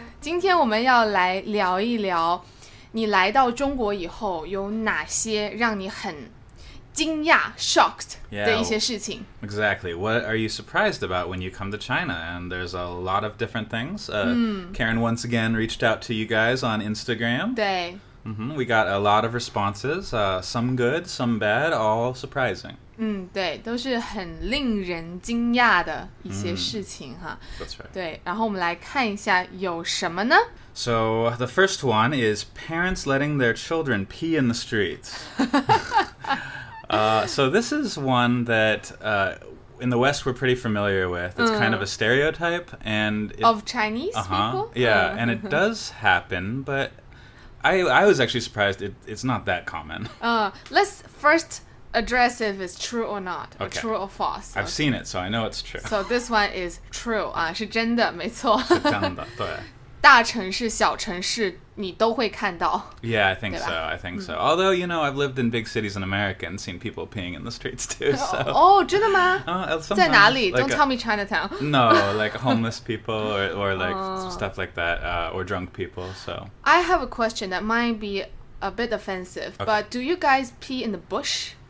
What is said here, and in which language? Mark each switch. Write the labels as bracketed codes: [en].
[zh] 今天我们要来聊一聊，你来到中国以后有哪些让你很惊讶 shocked 的一些事情。 [en] Yeah, exactly. What are you surprised about when you come to China? And there's a lot of different things. Karen once again reached out to you guys on Instagram. [zh] 对。 [en] Mm-hmm. We got a lot of responses, some good, some bad, all surprising. [zh] 对，都是很令人惊讶的一些事情哈。 [en] That's right. [zh] 对，然后我们来看一下有什么呢？ [en] So, the first one is parents letting their children pee in the streets. So this is one that, in the West we're pretty familiar with. It's kind of a stereotype. Of Chinese people? Yeah, and it does happen, but... I was actually surprised it's not that common. Let's first address if it's true or not, or true or false. I've seen it, so I know it's true. So this one is true, [zh] 是真的，没错。是真的，对。大城市、小城市，你都会看到。 [en] Yeah, I think so, I think so. Although, you know, I've lived in big cities in America and seen people peeing in the streets too, so... [zh] Oh, 真的吗？在哪里？ [en] Don't tell me Chinatown. No, like homeless people or like stuff like that, or drunk people, so... I have a question that might be a bit offensive, but do you guys pee in the bush?